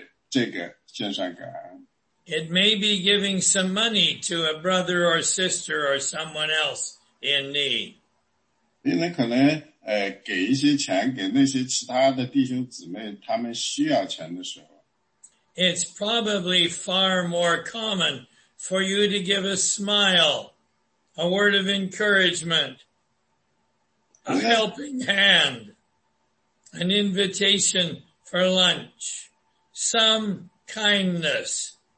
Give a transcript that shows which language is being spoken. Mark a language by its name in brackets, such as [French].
[Chinese] 所以呢，这个停一下，就是在我们的基督徒人生中呢，很多事情呢，我们也可以做，我们应该做。我们做了呢，我们通常呢，应该给这个献上感恩。 [English] It may be giving some money to a brother or sister or someone else in need. [Chinese] 所以呢，可能给一些钱给那些其他的弟兄姊妹，他们需要钱的时候。 [English] It's probably far more common for you to give a smile, a word of encouragement, a helping hand, an invitation for lunch, some kindness.